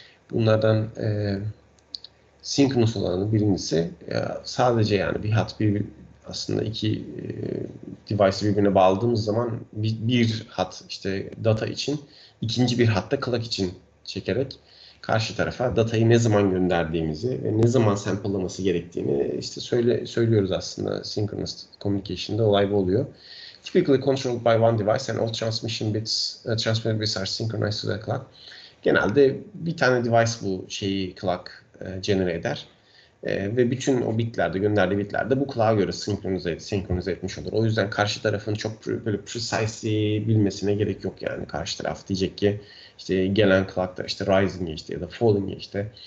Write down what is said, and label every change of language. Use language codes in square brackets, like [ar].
[tr] Bunlardan synchronous olanın birincisi, sadece yani bir hat, bir aslında iki device birbirine bağladığımız zaman bir hat işte data için, ikinci bir hatta clock için çekerek karşı tarafa datayı ne zaman gönderdiğimizi ve ne zaman sample'laması gerektiğini işte söylüyoruz aslında. Synchronous communication'da olay bu oluyor. [en] Typically controlled by one device and all transmission bits are synchronized to the clock. [tr] Genelde bir tane device bu şeyi clock genere eder. Ve bütün o bitlerde, gönderdiği bitlerde bu kulağa göre senkronize etmiş olur. O yüzden karşı tarafın çok böyle precisely bilmesine gerek yok. Yani karşı taraf diyecek ki işte gelen kulakta işte rising geçti ya da falling geçti.